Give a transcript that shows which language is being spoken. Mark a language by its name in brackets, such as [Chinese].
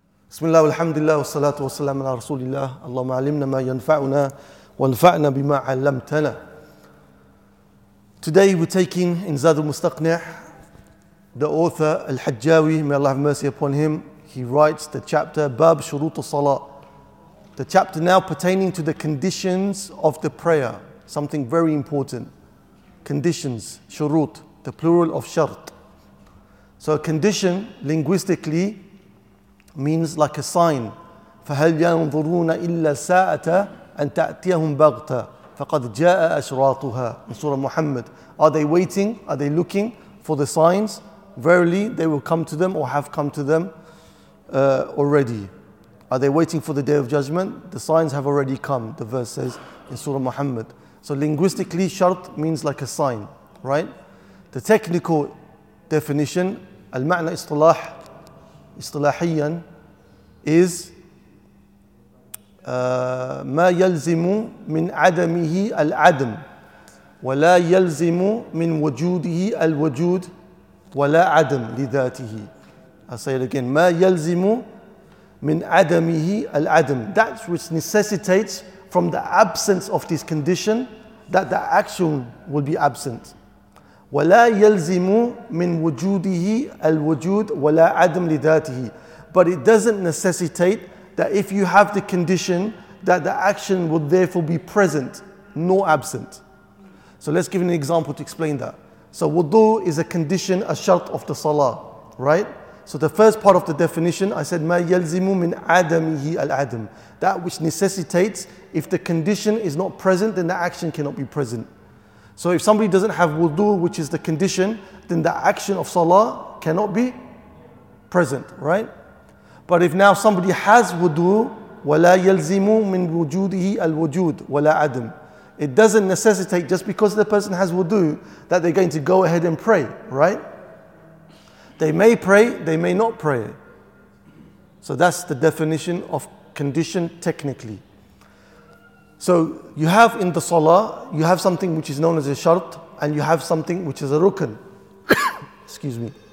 [Arabic] بسم الله والحمد لله والصلاة والسلام على رسول الله اللهم علمنا ما ينفعنا وانفعنا بما علمتنا. [English] Today we're taking in Zad al-Mustaqni', the author Al-Hajjawi, may Allah have mercy upon him, he writes the chapter Bab Shurut al-Salah, the chapter now pertaining to the conditions of the prayer, something very important. Conditions, Shurut, the plural of Shart. So a condition linguistically means like a sign. [Arabic] فَهَلْ يَنْظُرُونَ إِلَّا سَاءَةَ أَنْ تَأْتِيَهُمْ بَغْتَ فَقَدْ جَاءَ أَشْرَاطُهَا [English] in Surah Muhammad. Are they waiting? Are they looking for the signs? Verily, they will come to them or have come to them already. Are they waiting for the Day of Judgment? The signs have already come, the verse says in Surah Muhammad. So linguistically, شَرْط means like a sign, right? The technical definition, [Arabic] المعنى إصطلاح إصطلاحيا is ما يلزم من عدمه العدم ولا يلزم من وجوده الوجود ولا عدم لذاته. [English] I'll say it again. [Arabic] ما يلزم من عدمه العدم. [English] That which necessitates from the absence of this condition, that the action will be absent. [Arabic] ولا يلزم من وجوده الوجود ولا عدم لذاته. [English] But it doesn't necessitate that if you have the condition, that the action would therefore be present, nor absent. So let's give an example to explain that. So wudu is a condition, a shart of the salah, right? So the first part of the definition, I said, [Arabic] ما يلزم من عدمه العدم. [English] That which necessitates, if the condition is not present, then the action cannot be present. So if somebody doesn't have wudu, which is the condition, then the action of salah cannot be present, right? But if now somebody has wudu, [Arabic] وَلَا يَلْزِمُ مِنْ وُجُودِهِ الْوُجُودِ وَلَا عَدْمُ. [English] It doesn't necessitate, just because the person has wudu, that they're going to go ahead and pray, right? They may pray, they may not pray. So that's the definition of condition technically. So you have in the salah, you have something which is known as a shart, and you have something which is a rukn. Excuse me.